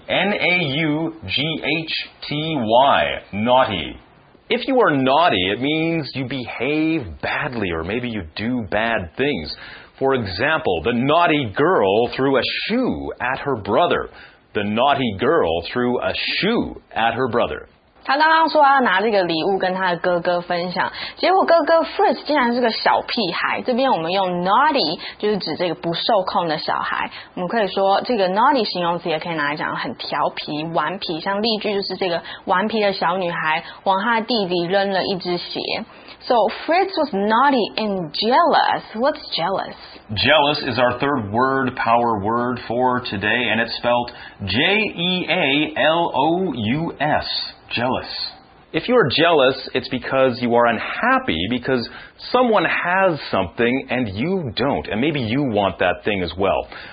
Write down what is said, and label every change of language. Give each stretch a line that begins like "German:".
English: N-A-U-G-H-T-Y, naughty. If you are naughty, it means you behave badly or maybe you do bad things. For example, the naughty girl threw a shoe at her brother. The naughty girl threw a shoe at her brother.
Chinese: 他刚刚说他要拿这个礼物跟他的哥哥分享，结果哥哥 Fritz 竟然是个小屁孩。这边我们用 naughty 就是指这个不受控的小孩。我们可以说这个 naughty 形容词也可以拿来讲很调皮、顽皮。像例句就是这个顽皮的小女孩往他的弟弟扔了一只鞋。
English: So Fritz was naughty and jealous. What's jealous? Jealous is our third word, power word for today, and it's spelled J-E-A-L-O-U-S. Jealous. If you are jealous, it's because you are unhappy because someone has something and you don't, and maybe you want that thing as well.